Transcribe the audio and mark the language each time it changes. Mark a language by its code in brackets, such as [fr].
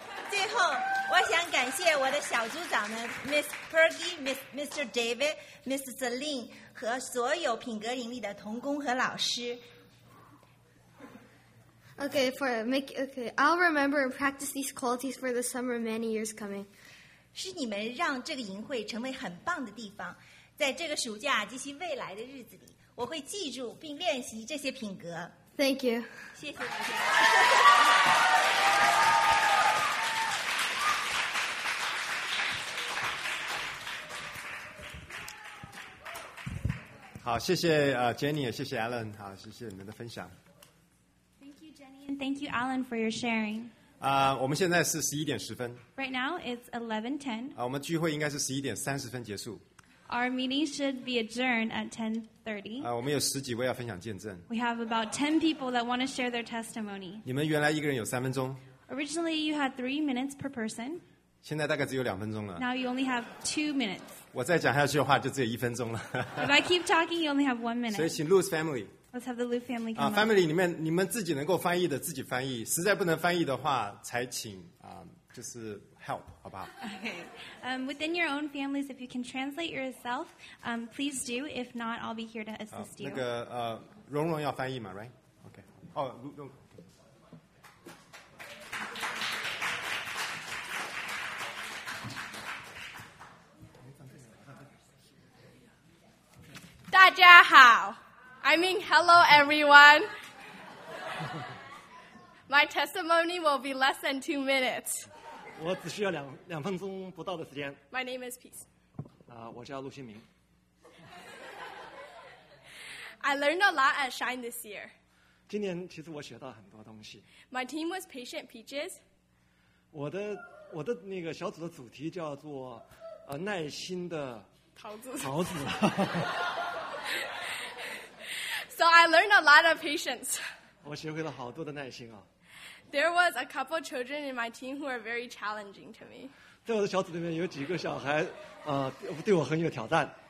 [zh] 最后我想感谢我的小组长们 Miss Perky, Mr. David, Mr. Celine 和所有品格营里的同工和老师。 [en] I'll remember and practice these qualities for the summer many years coming. [zh] 是你们让这个营会成为很棒的地方，在这个暑假及其未来的日子里，我会记住并练习这些品格。 [en] Thank you. [zh] 谢谢大家。好，谢谢Jenny， 谢谢 Alan， 好，谢谢你们的分享。 [en] Thank you, Jenny, and thank you, Alan, for your sharing. [zh] 我们现在是11:10。 [en] Right now, it's 11:10. [zh] 我们聚会应该是11:30结束。 [en] Our meeting should be adjourned at 10:30. [zh] 我们有十几位要分享见证。 [en] We have about 10 people that want to share their testimony. [zh] 你们原来一个人有三分钟。 [en] Originally, you had 3 minutes per person. [zh] 现在大概只有两分钟了。 [en] Now you only have 2 minutes. [zh] 我再讲下去的话，就只有一分钟了。 [en] If I keep talking, you only have 1 minute. [zh] 所以请 Lou's family. [en] Let's have the Lou family come. [zh] Family 里面，你们自己能够翻译的自己翻译，实在不能翻译的话，才请就是 help， 好不好 [en] ？Okay. Within your own families, if you can translate yourself, please do. If not, I'll be here to assist you. [zh] 那个蓉蓉要翻译嘛 ？ [en] Right? Okay. Oh, [zh] Lou. [en] I mean, hello, everyone. My testimony will be less than 2 minutes. [zh] 我只需要两分钟不到的时间。 [en] My name is Peace. [zh] 我叫陆新明。 [en] I learned a lot at Shine this year. [zh] 今年其实我学到很多东西。 [en] My team was Patient Peaches. [zh] 我的那个小组的主题叫做耐心的桃子。桃子。 [en] So I learned a lot of patience. [zh] 我学会了好多的耐心啊。 [en] There was a couple of children in my team who were very challenging to me. [zh] 在我的小组里面有几个小孩，对我很有挑战。